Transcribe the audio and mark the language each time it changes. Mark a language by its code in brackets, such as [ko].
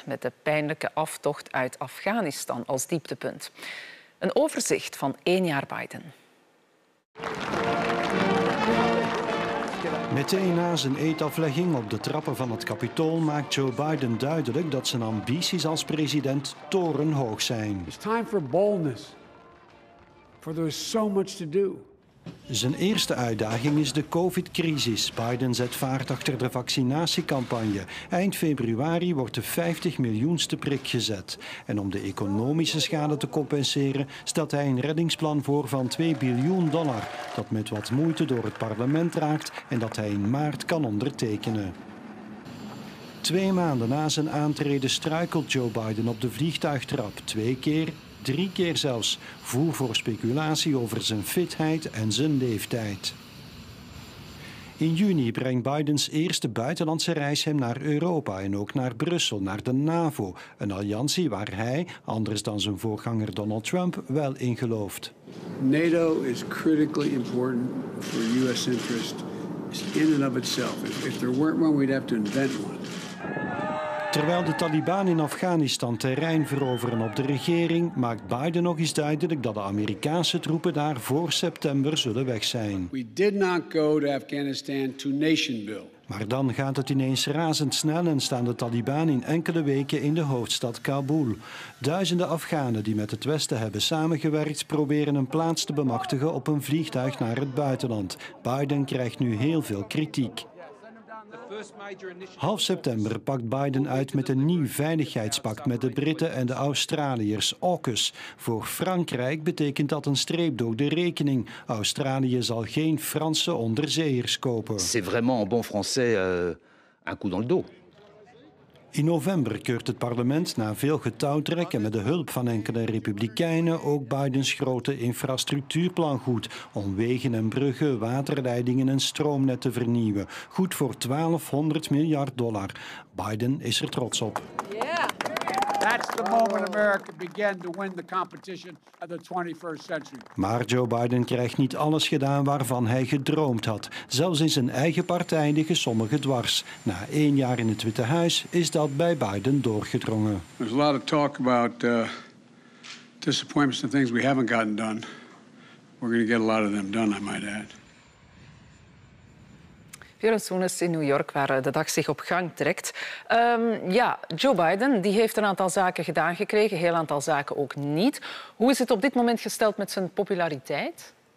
[nl] Met de pijnlijke aftocht uit Afghanistan als dieptepunt. Een overzicht van 1 jaar Biden. Meteen na zijn eedaflegging op de trappen van het Capitool maakt Joe Biden duidelijk dat zijn ambities als president torenhoog zijn. [en] It's time for boldness, for there is so much to do. [nl] Zijn eerste uitdaging is de COVID-crisis. Biden zet vaart achter de vaccinatiecampagne. Eind februari wordt de 50 miljoenste prik gezet. En om de economische schade te compenseren, stelt hij een reddingsplan voor van $2 biljoen, dat met wat moeite door het parlement raakt en dat hij in maart kan ondertekenen. 2 maanden na zijn aantreden struikelt Joe Biden op de vliegtuigtrap 2 keer. 3 keer zelfs, voer voor speculatie over zijn fitheid en zijn leeftijd. In juni brengt Bidens eerste buitenlandse reis hem naar Europa en ook naar Brussel, naar de NAVO, een alliantie waar hij, anders dan zijn voorganger Donald Trump, wel in gelooft. [en] NATO is critically important for US interest in and of itself. If there weren't one, we'd have to invent one. [nl] Terwijl de Taliban in Afghanistan terrein veroveren op de regering, maakt Biden nog eens duidelijk dat de Amerikaanse troepen daar voor september zullen weg zijn. [en] We did not go to Afghanistan to nation build. [nl] Maar dan gaat het ineens razendsnel en staan de Taliban in enkele weken in de hoofdstad Kabul. Duizenden Afghanen die met het Westen hebben samengewerkt proberen een plaats te bemachtigen op een vliegtuig naar het buitenland. Biden krijgt nu heel veel kritiek. Half september pakt Biden uit met een nieuw veiligheidspact met de Britten en de Australiërs, AUKUS. Voor Frankrijk betekent dat een streep door de rekening. Australië zal geen Franse onderzeeërs kopen. [fr] C'est vraiment en bon français un coup dans le dos. [nl] In november keurt het parlement na veel getouwtrek en met de hulp van enkele republikeinen ook Bidens grote infrastructuurplan goed om wegen en bruggen, waterleidingen en stroomnet te vernieuwen. Goed voor $1200 miljard. Biden is er trots op. [en] That's the moment America began to win the competition of the 21st century. [nl] Maar Joe Biden krijgt niet alles gedaan waarvan hij gedroomd had. Zelfs in zijn eigen partij liggen sommigen dwars. Na 1 jaar in het Witte Huis is dat bij Biden doorgedrongen. [en] There's a lot of talk about disappointments and things we haven't gotten done. We're going to get a lot of them done, I might add. [nl] Veren Soenes in New York, waar de dag zich op gang trekt. Joe Biden die heeft een aantal zaken gedaan gekregen, een heel aantal zaken ook niet. Hoe is het op dit moment gesteld met zijn populariteit?